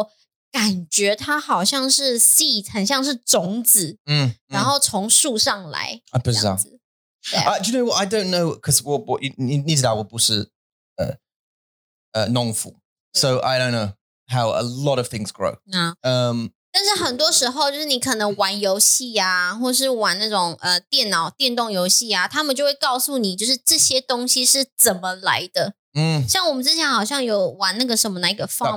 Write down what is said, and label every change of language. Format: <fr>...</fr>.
<zh>我们现在知道了，我们已经知道它从哪里来。但是你就会觉得说，这个东西，这个咖啡豆，感觉它好像是 seed， 很像是种子，然后从树上来。不知道。</zh> <en>Do you know what? I don't know because</en> <zh>我你知道我不是农夫，</zh> <en>so I don't know how a lot of things grow.</en> <zh>但是很多时候就是你可能玩游戏啊，或是玩那种电脑电动游戏啊，他们就会告诉你就是这些东西是怎么来的。嗯，像我们之前好像有玩那个什么哪个 farm</zh>